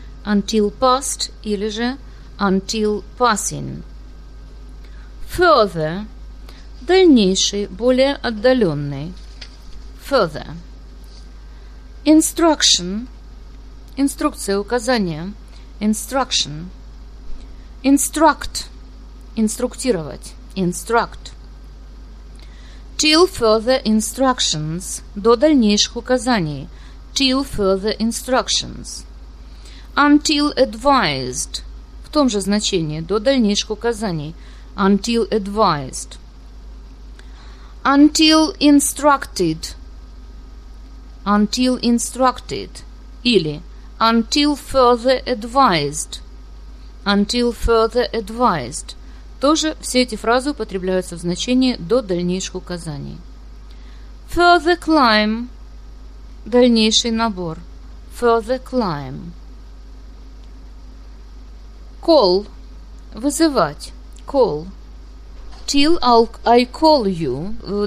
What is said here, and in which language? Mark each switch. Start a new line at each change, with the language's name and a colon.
English: Until past
Russian: или же
English: until passing. Further.
Russian: Дальнейший, более отдаленный.
English: Further. Instruction. Инструкция, указание. Instruction. Instruct. Инструктировать. Instruct. Till further instructions.
Russian: До дальнейших указаний.
English: Till further instructions. Until advised.
Russian: В том же значении. До дальнейших указаний.
English: Until advised. Until instructed. Until instructed.
Russian: Или
English: until further advised. Until further advised.
Russian: Тоже все эти фразы употребляются в значении до дальнейших указаний.
English: Further climb.
Russian: Дальнейший набор.
English: Further climb. Call. Вызывать. Call. Till I call you.